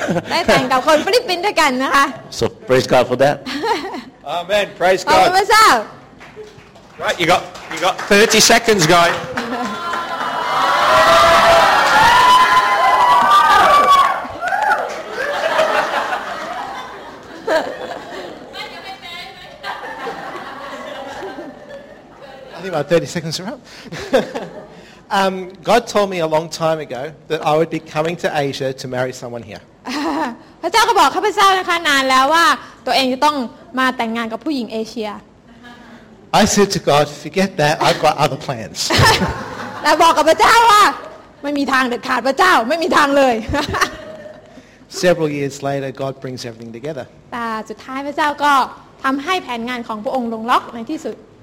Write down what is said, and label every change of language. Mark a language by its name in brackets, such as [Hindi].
[Thai] ได้แต่งกับคนฟิลิปปินส์ด้วยกันนะคะ [English] So praise God for that Amen praise God [Thai] ขอบคุณพระเจ้า [English] Right you got 30 seconds guys I think about 30 seconds are up. God told me a long time ago that I would be coming to Asia to marry someone here. [Thai] พระเจ้าก็บอกข้าพเจ้านะคะนานแล้วว่าตัวเองจะต้องมาแต่งงานกับผู้หญิงเอเชีย [English] I said to God, "Forget that. I've got other plans." [Thai] แล้วบอกกับพระเจ้าว่าไม่มีทางเด็ดขาดพระเจ้าไม่มีทางเลย [English] Several years later, God brings everything together. [Thai] แต่สุดท้ายพระเจ้าก็ทำให้แผนงานของพระองค์ลงล็อกในที่สุด